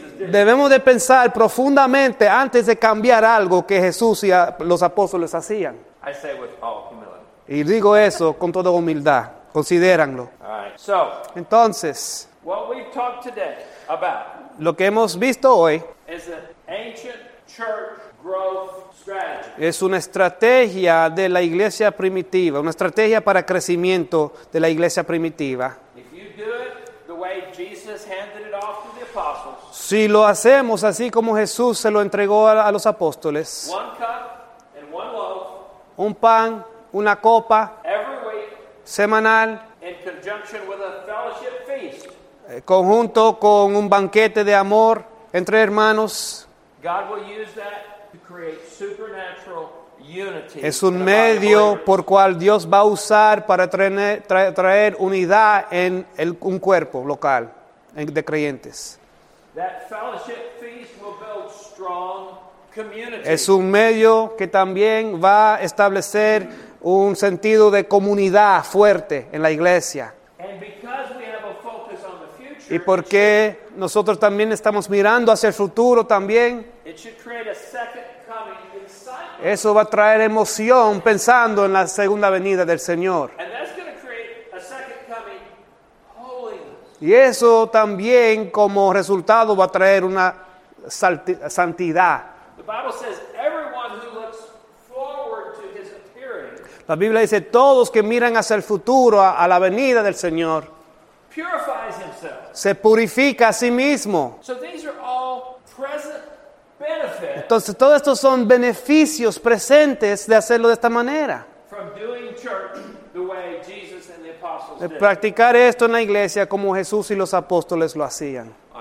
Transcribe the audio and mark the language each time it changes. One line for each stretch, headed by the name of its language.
Spanish: Debemos de pensar profundamente antes de cambiar algo que Jesús y los apóstoles hacían.
English: I say with all humility.
Spanish: Y digo eso con toda humildad. Considéranlo.
English: All right. So,
Spanish: entonces,
English: what we've talked today about,
Spanish: lo que hemos visto hoy
English: is an ancient church growth strategy.
Spanish: Es una estrategia de la iglesia primitiva, una estrategia para crecimiento de la iglesia primitiva.
English: If you do it the way Jesus handed it off to the apostles,
Spanish: si lo hacemos así como Jesús se lo entregó a los apóstoles,
English: one cup and one loaf,
Spanish: un pan, una copa,
English: every week,
Spanish: semanal,
English: in conjunction with a fellowship feast,
Spanish: conjunto con un banquete de amor entre hermanos,
English: God will use that to create supernatural unity.
Spanish: Es un medio por cual Dios va a usar para traer unidad en un cuerpo local de creyentes.
English: That fellowship feast will build strong community.
Spanish: Es un medio que también va a establecer un sentido de comunidad fuerte en la iglesia.
English: And because we have a focus on the future,
Spanish: y porque nosotros también estamos mirando hacia el futuro también,
English: it should create a second coming excitement.
Spanish: Eso va a traer emoción pensando en la segunda venida del Señor.
English: And that's going to create a second coming holiness.
Spanish: Y eso también como resultado va a traer una santidad.
English: The Bible says everyone who looks forward to his appearing,
Spanish: la Biblia dice todos que miran hacia el futuro a la venida del Señor
English: purifies himself.
Spanish: Se purifica a sí mismo.
English: So these are all present benefits.
Spanish: Entonces todos estos son beneficios presentes de hacerlo de esta manera.
English: From doing church the way Jesus,
Spanish: de practicar esto en la iglesia como Jesús y los apóstoles lo hacían.